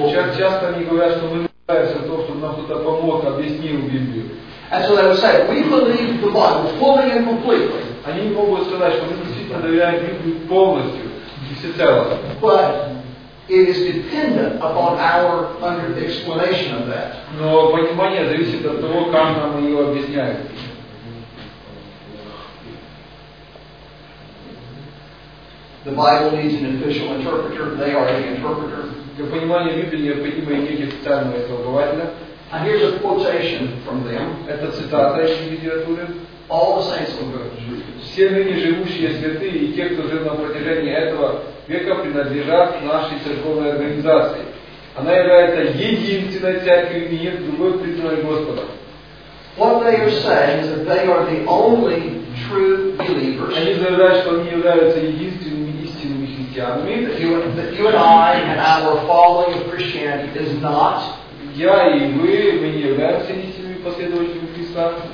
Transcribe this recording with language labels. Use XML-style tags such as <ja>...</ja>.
<en>And so they would say, we believe the Bible fully and completely. But it is dependent upon our explanation of that.</en> <ru>Но понимание зависит от того, как нам ее объясняют.</ru> <en>The Bible needs an official interpreter. They are the interpreter.</en> <ru>Для понимания Библии необходимо иметь официального толкователя.</ru> <en>And here's a quotation from them.</en> <ru>Это цитата из литературы.</ru> <en>All the saints of God.</en> <ru>Все ныне живущие святые и те, кто жил на протяжении этого века, принадлежат нашей церковной организации. Она является единственной церковью, и нет другой признанной Господа.</ru> <en>What they are saying is that they are the only true believers.</en> <ru>Они заявляют, что они являются единственными истинными христианами.</ru> <en>That you and I and our following of Christianity is not.</en> <ru>Я и мы не являемся истинными последователями Христа.</ru>